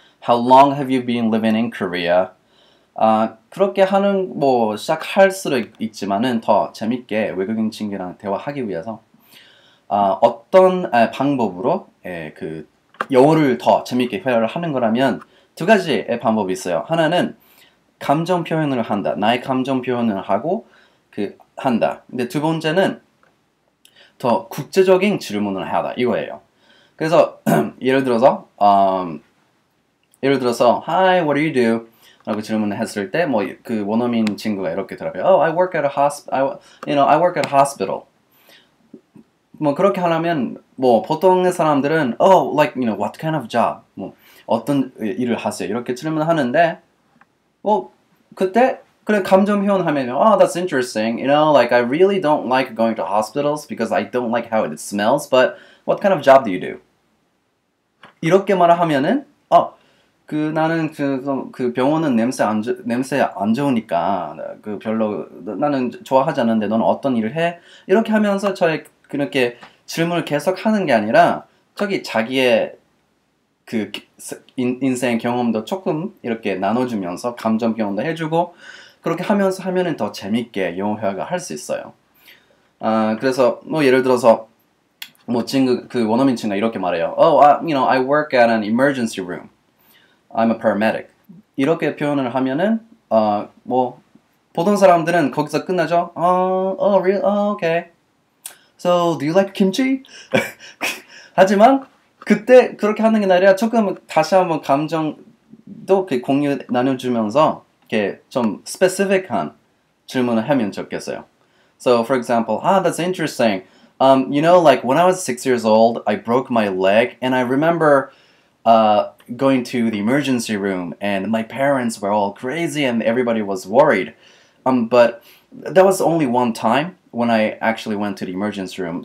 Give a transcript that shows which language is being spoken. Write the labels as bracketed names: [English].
[English] How long have you been living in Korea? [Korean] 그렇게 하는 뭐 시작할 수도 있지만은 더 재밌게 외국인 친구랑 대화하기 위해서 어떤 방법으로 그 영어를 더 재밌게 회화를 하는 거라면 두 가지의 방법이 있어요. 하나는 감정 표현을 한다. 나의 감정 표현을 하고 그 한다. 근데 두 번째는 더 국제적인 질문을 하다. 이거예요. 그래서 예를 들어서 [English] Hi, what do you do? [Korean] 라고 질문을 했을 때, 뭐, 그, 원어민 친구가 이렇게 들어가요. [English] Oh, I work at a hospital. You know, I work at a hospital. [Korean] 뭐, 그렇게 하려면, 뭐, 보통의 사람들은, [English] Oh, like, you know, what kind of job? [Korean] 뭐, 어떤 일을 하세요? 이렇게 질문을 하는데, 뭐, 그때, 그냥 감정 표현하면, [English] Oh, that's interesting. You know, like, I really don't like going to hospitals because I don't like how it smells, but what kind of job do you do? [Korean] 이렇게 말을 하면은, 나는 그 병원은 냄새 안 좋으니까 그 별로 나는 좋아하지 않는데 넌 어떤 일을 해? 이렇게 하면서 저의 그렇게 질문을 계속 하는 게 아니라 저기 자기의 그 인생 경험도 조금 이렇게 나눠주면서 감정 표현도 해주고 그렇게 하면서 하면은 더 재밌게 영어 회화가 할수 있어요. 그래서 뭐 예를 들어서 뭐 친구 그 원어민 친구가 이렇게 말해요. [English] Oh, you know, I work at an emergency room. I'm a paramedic. [Korean] 이렇게 표현을 하면은 뭐 보통 사람들은 거기서 끝나죠. [English] Really? Okay. So, do you like kimchi? [Korean] 하지만 그때 그렇게 하는 게 아니라 조금 다시 한번 감정도 이렇게 공유 나눠주면서 이렇게 좀 specific한 질문을 하면 좋겠어요. [English] So, for example, that's interesting. You know, like when I was 6 years old, I broke my leg, and I remember. Going to the emergency room, and my parents were all crazy, and everybody was worried. But that was only one time when I actually went to the emergency room.